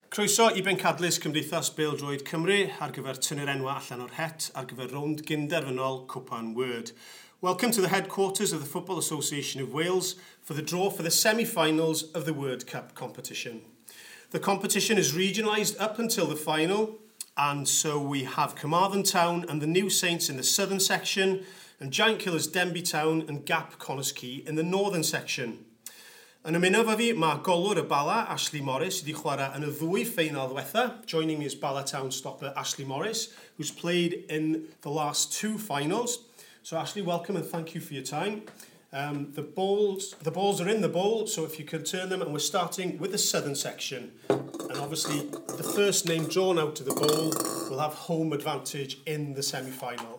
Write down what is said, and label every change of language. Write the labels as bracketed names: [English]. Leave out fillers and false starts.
[Welsh] Croeso i bencadlys Cymdeithas Beildroed Cymru ar gyfer tynnu'r enwa allan o'r het ar gyfer rownd gynderfynol Cwpan Word. [English] Welcome to the headquarters of the Football Association of Wales for the draw for the semi-finals of the Word Cup competition. The competition is regionalised up until the final, and so we have Carmarthen Town and the New Saints in the southern section and Giant Killers Denbigh Town and Gap Connorskey in the northern section. [Welsh] Yn ymuno efo fi, mae golwr y Bala, Ashley Morris, wedi chwarae yn y ddwy ffeinal ddiwetha. [English] Joining me is Bala Town stopper Ashley Morris, who's played in the last two finals. So Ashley, welcome and thank you for your time. The balls are in the bowl, so if you can turn them, and we're starting with the southern section. And obviously, the first name drawn out of the bowl will have home advantage in the semi-final.